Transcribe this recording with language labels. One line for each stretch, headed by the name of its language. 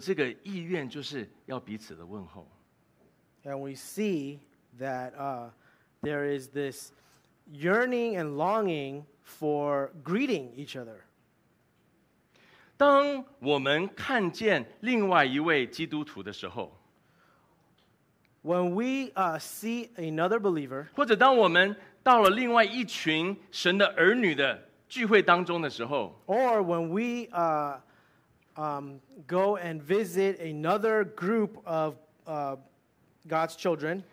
Chinese: 信徒们彼此有一种很深很深的牵挂和彼此有这个意愿就是要彼此的问候。
English: And we see that there is this yearning and longing for greeting each other.
Chinese: 当我们看见另外一位基督徒的时候,
English: when we see another believer,
Chinese: 或者当我们到了另外一群神的儿女的聚会当中的时候,
English: or when we go and visit another group of God's children,